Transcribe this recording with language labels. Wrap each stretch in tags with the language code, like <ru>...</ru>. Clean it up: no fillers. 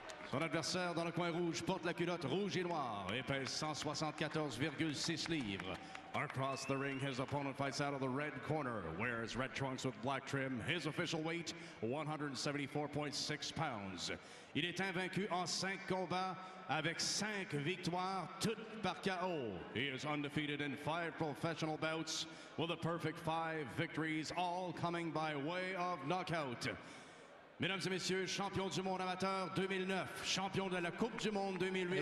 <fr>Son adversaire dans le coin rouge porte la culotte rouge et noire et pèse 174,6 livres.</fr> <en>Across the ring, his opponent fights out of the red corner, wears red trunks with black trim. His official weight, 174.6 pounds.</en> <fr>Il est invaincu en 5 combats avec 5 victoires, toutes par KO.</fr> <en>He is undefeated in 5 professional bouts with a perfect 5 victories, all coming by way of knockout.</en> <fr>Mesdames et messieurs, champion du monde amateur 2009, champion de la Coupe du monde 2008.</fr>